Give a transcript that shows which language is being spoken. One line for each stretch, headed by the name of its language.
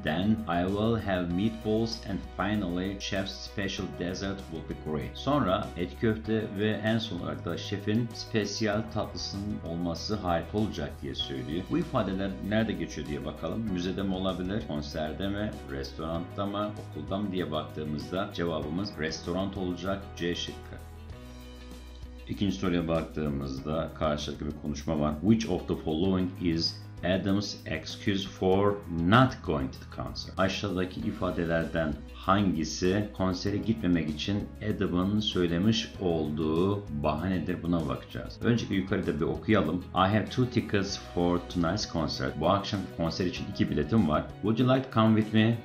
English: Then I will have meatballs and finally chef's special dessert will be great.
Turkish: Sonra et köfte ve en son olarak da şefin spesiyal tatlısının olması harika olacak diye söylüyor. Bu ifadeler nerede geçiyor diye bakalım. Müzede mi olabilir, konserde mi, restoranda mı, okulda mı diye baktığımızda cevabımız restorant olacak, C şıkkı. İkinci soruya baktığımızda karşılıklı bir konuşma var.
English: Which of the following is Adam's excuse for not going to the concert?
Turkish: Aşağıdaki ifadelerden hangisi konsere gitmemek için Adam'ın söylemiş olduğu bahanedir, buna bakacağız. Önce yukarıda bir okuyalım.
English: I have two tickets for tonight's concert.
Turkish: Bu akşam konser için iki biletim var.
English: Would you like to come with me?